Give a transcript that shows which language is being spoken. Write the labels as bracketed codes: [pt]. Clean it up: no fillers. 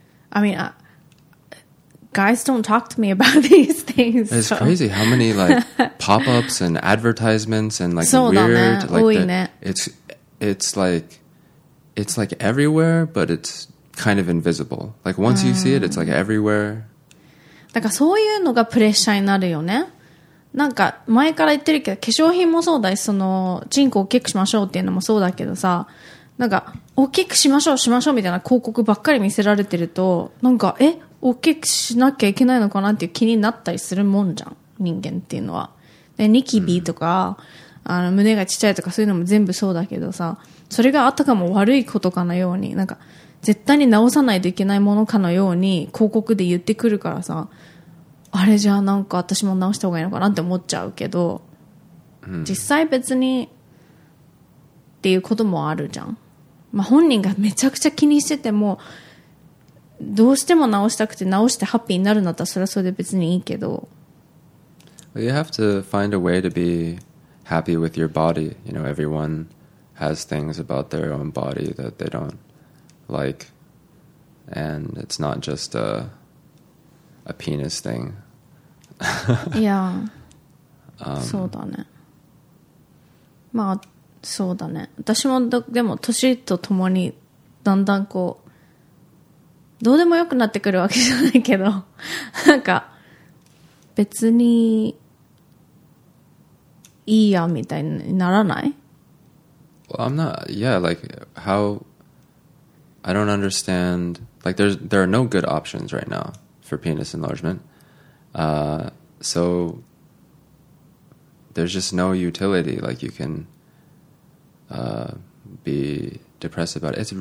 [en] I mean, guys don't talk to me about these things. It's so crazy how many like pop-ups and advertisements and like weird, it's like everywhere, but it's kind of invisible. Like once you see it, it's like everywhere. [ja] だからそういうのがプレッシャーになるよね。なんか前から言ってるけど化粧品もそうだし、そのチンコ大きくしましょうっていうのもそうだけどさ、なんか大きくしましょうしましょうみたいな広告ばっかり見せられてると、なんか大きくしなきゃいけないのかなっていう気になったりするもんじゃん、人間っていうのは。でニキビとか、あの胸がちっちゃいとかそういうのも全部そうだけどさ、それがあったかも悪いことかのように、なんか絶対に直さないといけないものかのように広告で言ってくるからさ、あれじゃあなんか私も直した方がいいのかなって思っちゃうけど、実際別にっていうこともあるじゃん。まあ、本人がめちゃくちゃ気にしててもどうしても直したくて直してハッピーになるんだったらそれはそれで別にいいけど。 [en] Well, you have to find a way to be happy with your body. You know, everyone has things about their own body that they don't like. And it's not just a penis thing. [ja] Yeah. そうだね。まあ、そうだね。私もでも年とともにだんだんこう、どうでもよくなってくるわけじゃないけど、なんか、別に、いいやみたいにならない? [en] Well, I'm not, yeah, like, how, I don't understand, like, there are no good options right now for penis enlargement. So, there's just no utility, like, you can be depressed about it.